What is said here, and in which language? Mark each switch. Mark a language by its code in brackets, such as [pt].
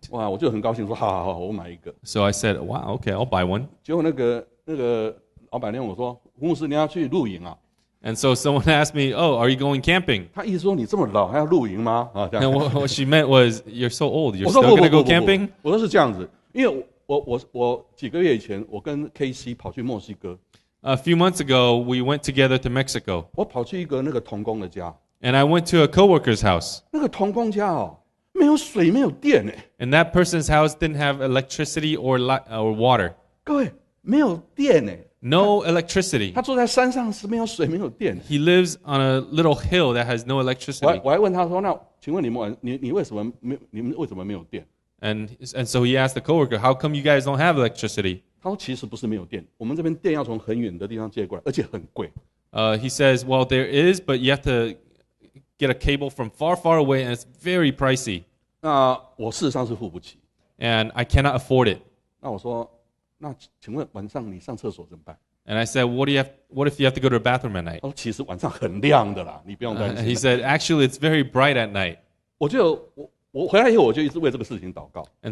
[zh] 哇，我就很高兴说，好，我买一个。 [en] So I said, wow, okay, I'll buy one. [zh] 结果那个老板娘我说，牧师你要去露营啊？ [en] And so someone asked me, oh, are you going camping? [zh] 她意思说你这么老还要露营吗？ [en] And what she meant was, you're so old, you're still going to go camping? [zh] 我说是这样子，因为 我几个月以前，我跟 KC 跑去墨西哥。 [en] A few months ago, we went together to Mexico. [zh] 我跑去一个那个童工的家。 [en] And I went to a coworker's house. [zh] 那个童工家哦，没有水，没有电哎。 [en] And that person's house didn't have electricity or water. [zh] 各位，没有电哎。 [en] No electricity. [zh] 他住在山上是没有水，没有电。 [en] He lives on a little hill that has no electricity. [zh] 我还问他说，那请问你们为什么没有电？ [en] And so he asked the coworker, "How come you guys don't have electricity?" He says, "Well, there is, but you have to get a cable from far, far away, and it's very pricey." [zh] 那我事实上是付不起。 [en] And I cannot afford it. [zh] 那我说，那请问晚上你上厕所怎么办？ [en] And I said, "What if you have to go to the bathroom at night?" [zh] 其实晚上很亮的啦，你不用担心。 [en] He said, "Actually, it's very bright at night." [zh] 我回来以后，我就一直为这个事情祷告。 [en] And